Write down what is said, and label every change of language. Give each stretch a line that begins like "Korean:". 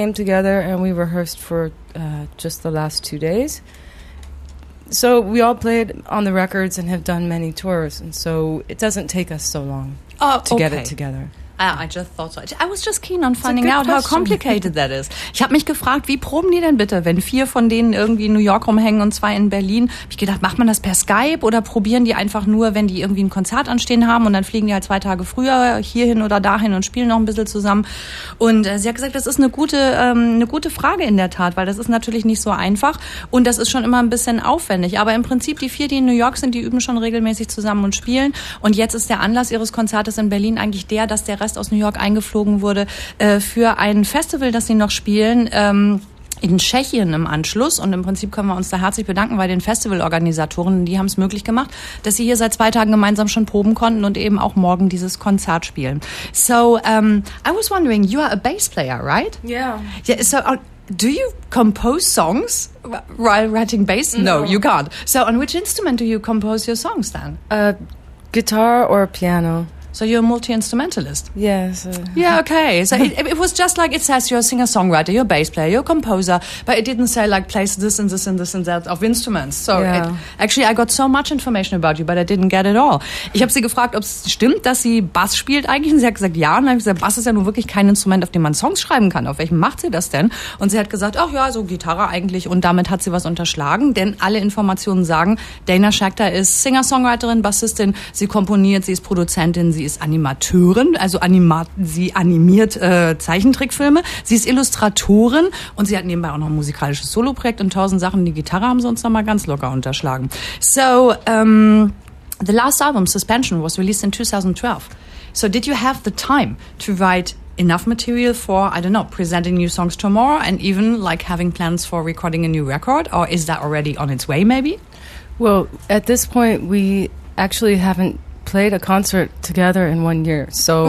English: we came together and we rehearsed for just the last 2 days. So we all played on the records and have done many tours. And so it doesn't take us so long to get it together. I just thought so. I was just keen on finding out question. How complicated that is.
German: Ich habe mich gefragt, wie proben die denn bitte, wenn vier von denen irgendwie in New York rumhängen und zwei in Berlin? Hab ich gedacht, macht man das per Skype oder probieren die einfach nur, wenn die irgendwie ein Konzert anstehen haben und dann fliegen die halt 2 Tage früher hierhin oder dahin und spielen noch ein bisschen zusammen? Und sie hat gesagt, das ist eine gute Frage in der Tat, weil das ist natürlich nicht so einfach und das ist schon immer ein bisschen aufwendig. Aber im Prinzip, die vier, die in New York sind, die üben schon regelmäßig zusammen und spielen. Und jetzt ist der Anlass ihres Konzertes in Berlin eigentlich der, dass der Rest aus New York eingeflogen wurde für ein Festival, das sie noch spielen in Tschechien im Anschluss. Und im Prinzip können wir uns da herzlich bedanken bei den Festivalorganisatoren. Die haben es möglich gemacht, dass sie hier seit 2 Tagen gemeinsam schon proben konnten und eben auch morgen dieses Konzert spielen.
English: So, I was wondering, you are a bass player, right? Yeah. So, do you compose songs while writing bass? No, you can't. So, on which instrument do you compose your songs then? Guitar or piano. So you're a multi-instrumentalist? Yes. Yeah, okay. So it was just like it says you're a singer-songwriter, you're a bass player, you're a composer, but it didn't say like plays this and this and this and that of instruments. So actually I got so much information about you, but I didn't get it all.
German: Ich habe sie gefragt, ob es stimmt, dass sie Bass spielt eigentlich. Und sie hat gesagt, ja. Und dann habe ich gesagt, Bass ist ja nun wirklich kein Instrument, auf dem man Songs schreiben kann. Auf welchem macht sie das denn? Und sie hat gesagt, ach ja, so Gitarre eigentlich. Und damit hat sie was unterschlagen. Denn alle Informationen sagen, Dana Schachter ist Singer-Songwriterin, Bassistin. Sie komponiert, sie ist Produzentin, sie ist Animateurin, also sie animiert Zeichentrickfilme. Sie ist Illustratorin und sie hat nebenbei auch noch ein musikalisches Soloprojekt und 1000 Sachen. Die Gitarre haben sie uns nochmal ganz locker unterschlagen.
English: So, the last album, Suspension, was released in 2012. So, did you have the time to write enough material for, I don't know, presenting new songs tomorrow and even like having plans for recording a new record? Or is that already on its way, maybe? Well, at this point, we actually haven't played a concert together in 1 year. So,